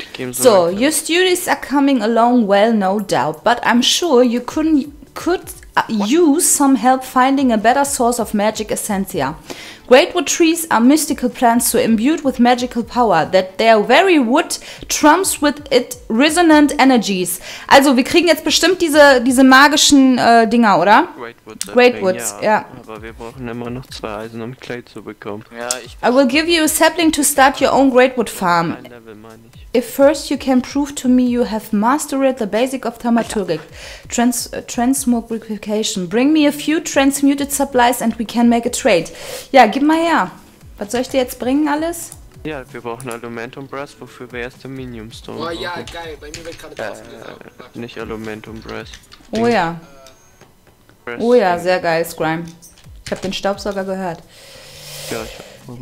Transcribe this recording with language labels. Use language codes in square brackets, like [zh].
[en] So, your studies are coming along well, no doubt, but I'm sure you could use some help finding a better source of magic essentia. Greatwood trees are mystical plants so imbued with magical power that their very wood trumps with it resonant energies. [de] Also, wir kriegen jetzt bestimmt diese magischen Dinger, oder? Greatwoods, ja. Aber wir brauchen immer noch zwei Eisen, um Clay zu bekommen. [en] I will give you a sapling to start your own Greatwood farm. If first you can prove to me you have mastered the basic of thaumaturgic transmogrification, bring me a few transmuted supplies and we can make a trade. [de] Ja, gib mal her. Was soll ich dir jetzt bringen alles? Ja, wir brauchen Alumentum Brass, wofür wir erst Aluminium Stone brauchen. Oh ja, geil, bei mir wird gerade draußen. Nicht Alumentum Brass. Oh ja. Oh ja, sehr geil, Scrime. Ich hab den Staubsauger gehört. Ja, ich hab.